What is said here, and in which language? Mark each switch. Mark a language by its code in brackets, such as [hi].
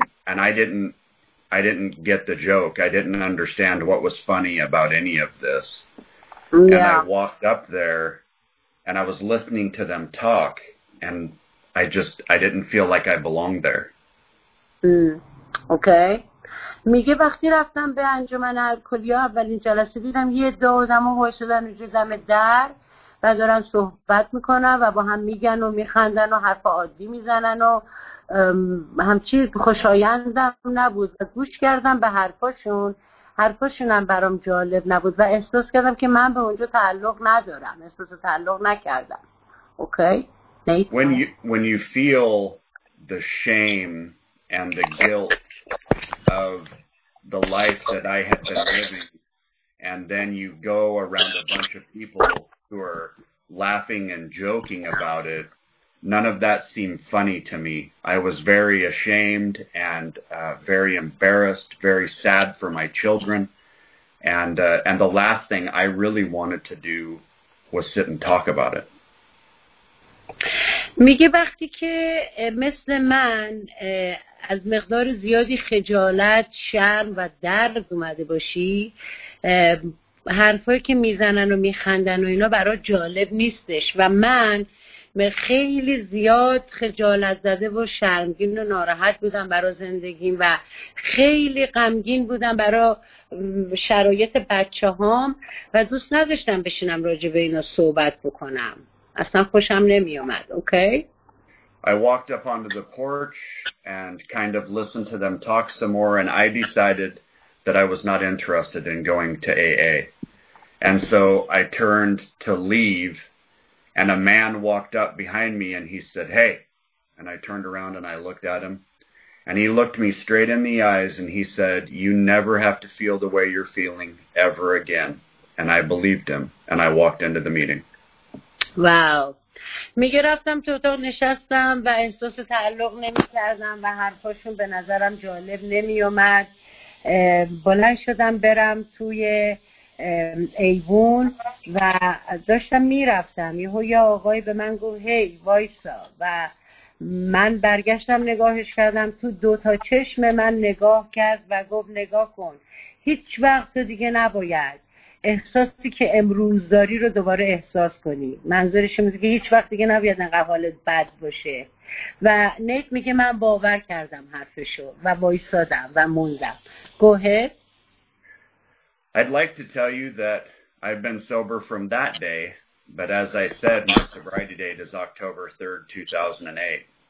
[en] And I didn't get the joke. I didn't understand what was funny about any of this. Yeah. And I walked up there, and I was listening to them talk, and I didn't feel like I belonged there. Okay. [fa] میگه وقتی رفتم به انجمن الکلیا اولین جلسه دیدم یه دو آدم رو وایسادن رو جزم در و دارن صحبت میکنن و با هم میگن و میخندن و حرف عادی میزنن و همچی خوشایندم نبود و گوش کردم به حرفاشون هم برام جالب نبود و احساس کردم که من به اونجا تعلق ندارم احساس تعلق نکردم. اوکی [en] When you feel the shame and the guilt of the life that I had been living, and then you go around a bunch of people who are laughing and joking about it, none of that seemed funny to me. I was very ashamed and very embarrassed, very sad for my children, and the last thing I really wanted to do was sit and talk about it. [fa] میگه وقتی که مثل من از مقدار زیادی خجالت، شرم و درد اومده باشی حرفایی که میزنن و میخندن و اینا برای جالب نیستش و من خیلی زیاد خجالت زده و شرمگین و ناراحت بودم برای زندگیم و خیلی غمگین بودم برای شرایط بچه هام و دوست نداشتم بشینم راجع به اینا صحبت بکنم اصلا خوشم نمی اومد. اوکی؟ [en] I walked up onto the porch and kind of listened to them talk some more and I decided that I was not interested in going to AA. And so I turned to leave and a man walked up behind me and he said, "Hey." And I turned around and I looked at him and he looked me straight in the eyes and he said, "You never have to feel the way you're feeling ever again." And I believed him and I walked into the meeting. [fa] واو میگه رفتم تو اتاق نشستم و احساس تعلق نمی کردم و حرفاشون به نظرم جالب نمی اومد بلند شدم برم توی ایوون و داشتم می رفتم یهو یه آقای به من گفت هی وایسا و من برگشتم نگاهش کردم تو دوتا چشم من نگاه کرد و گفت نگاه کن هیچ وقت دیگه نباید احساسی که امروز داری رو دوباره احساس کنی منظورش اینه که هیچ وقت دیگه نباید انقدر حالت بد باشه و نیت میگه من باور کردم حرفشو و وایسادم و موندم [en] Go ahead. I'd like to tell you that I've been sober from that day but as I said my sobriety date is October 3rd 2008